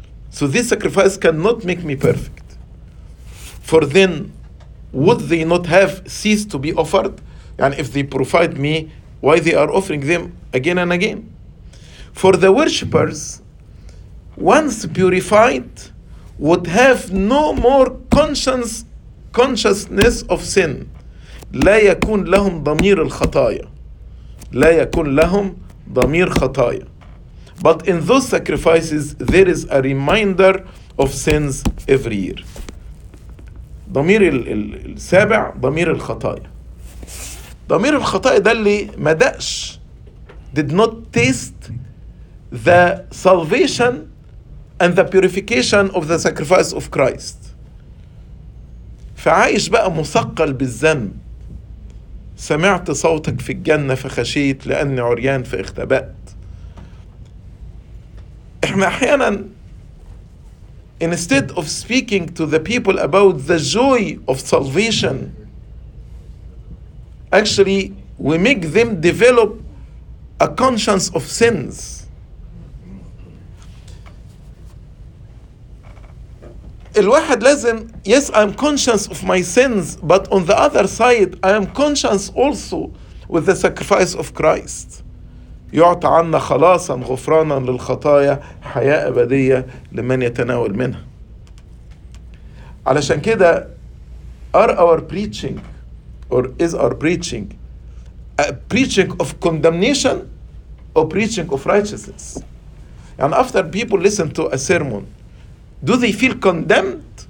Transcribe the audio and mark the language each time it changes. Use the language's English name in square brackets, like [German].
[English] So this sacrifice cannot make me perfect. For then, would they not have ceased to be offered? And if they provide me, why they are offering them again and again? For the worshippers, once purified, would have no more consciousness of sin. [Arabic] لا يكون لهم ضمير الخطايا. لا يكون لهم ضمير خطايا. [English] But in those sacrifices, there is a reminder of sins every year. [Arabic] ضمير السابع ضمير الخطايا. ضمير الخطايا ده اللي ما دقش, [English] did not taste the salvation and the purification of the sacrifice of Christ. [Arabic] فعايش بقى مثقل بالذنب. سمعت صوتك في الجنة فخشيت لأني عريان فاختبأت. [English] instead of speaking to the people about the joy of salvation, actually we make them develop a conscience of sins. [Arabic] الواحد لازم, [English] yes, I'm conscious of my sins, but on the other side, I am conscious also with the sacrifice of Christ. [Arabic] يعطى عنا خلاصا غفرانا للخطايا حياة أبدية لمن يتناول منها. علشان كده, [English] are our preaching, or is our preaching, a preaching of condemnation or preaching of righteousness? And after people listen to a sermon, do they feel condemned?